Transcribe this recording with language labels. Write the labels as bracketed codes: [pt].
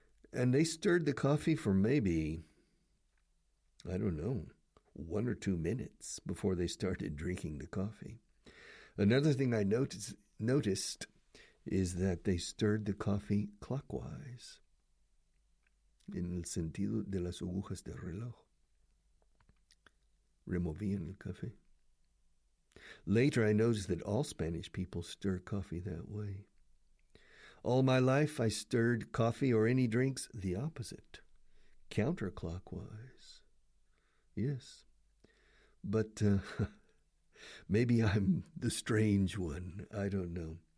[en] And they stirred the coffee for maybe, I don't know, 1 or 2 minutes before they started drinking the coffee. Another thing I noticed is that they stirred the coffee clockwise. [es] En el sentido de las agujas del reloj. Removían el café. [en] Later, I noticed that all Spanish people stir coffee that way. All my life, I stirred coffee or any drinks the opposite, counterclockwise. Yes. But maybe I'm the strange one. I don't know.